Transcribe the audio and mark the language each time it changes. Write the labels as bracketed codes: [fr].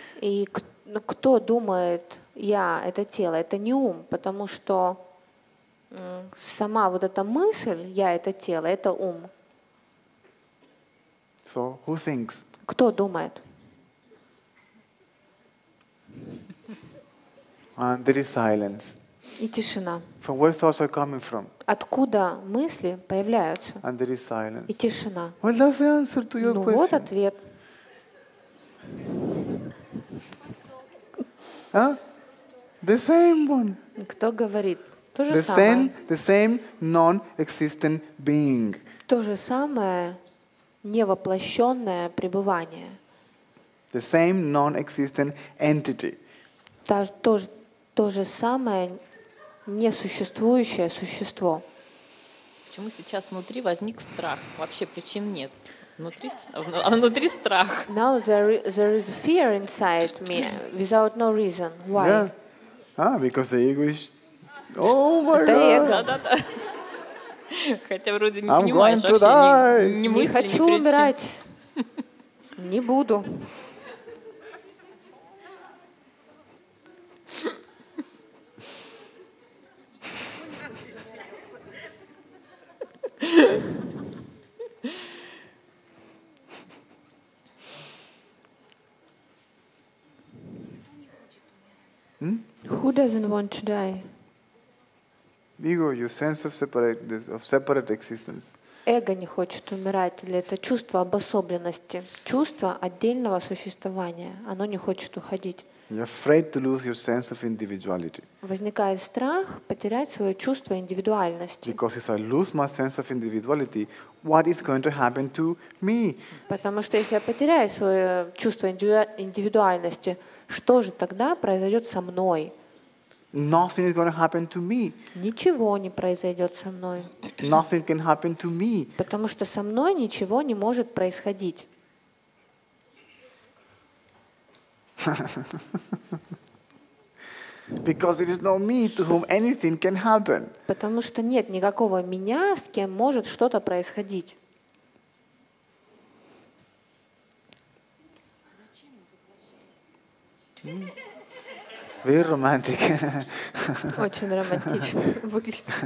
[ru] И кто думает, я — это тело, это не ум, потому что сама вот эта мысль, я — это тело, это ум. [en] So, who thinks? [ru] Кто думает? [en] And there is silence. [ru] И тишина. [en] From where thoughts are coming from? [ru] Откуда мысли появляются? [en] And there is silence. [ru] И тишина. [en] Well, that's the answer to your question. [ru] Ну вот ответ. [en] А? The same one. [ru] Кто говорит? То же самое. [en] The same non-existent being. [ru] То же самое невоплощенное пребывание. [en] The same non-existent entity. [ru] То же самое несуществующее существо. Почему сейчас внутри возник страх? Вообще причин нет. Внутри страх. [en] Now there is fear inside me without no reason. Why? Yeah. Because the ego is... Oh, my God! [ru] Хотя вроде не понимаешь вообще, не мысли, не хочу умирать. Не буду. [en] Who doesn't want to die? Ego, your sense of separate existence. [ru] Эго не хочет умирать, или это чувство обособленности, чувство отдельного существования. Оно не хочет уходить. [en] You're afraid to lose your sense of individuality. [ru] Возникает страх потерять свое чувство индивидуальности. [en] Because if I lose my sense of individuality, what is going to happen to me? [ru] Потому что если я потеряю свое чувство индивидуальности, что же тогда произойдет со мной? [en] Nothing is going to happen to me. [ru] Ничего не произойдет со мной. [en] Nothing can happen to me. [ru] Потому что со мной ничего не может происходить. [en] Because it is not me to whom anything can happen. [ru] Потому что нет никакого меня, с кем может что-то происходить. А зачем мы воплощаемся? [en] Very romantic. [ru] Очень романтично выглядит.